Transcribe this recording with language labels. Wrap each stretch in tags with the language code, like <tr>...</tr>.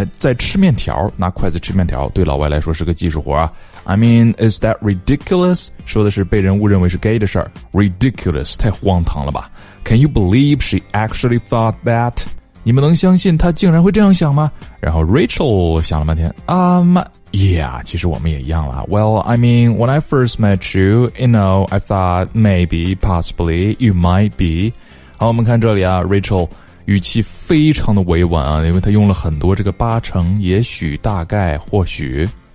<zh>在吃面条，拿筷子吃面条对老外来说是个技术活啊。</zh> <en>I mean, is that ridiculous?</en> <zh>说的是被人误认为是 gay 的事儿。</zh> <en>Ridiculous,</en> <zh>太荒唐了吧。</zh> <en>Can you believe she actually thought that?</en> <zh>你们能相信她竟然会这样想吗？然后 Rachel 想了半天。Yeah, 其实我们也一样了。</zh> <en>Well, I mean, when I first met you, you know, I thought maybe, possibly, you might be.</en> <zh>好，我们看这里啊， Rachel 语气非常的委婉啊，因为她用了很多这个八成、也许、大概、或许。</zh>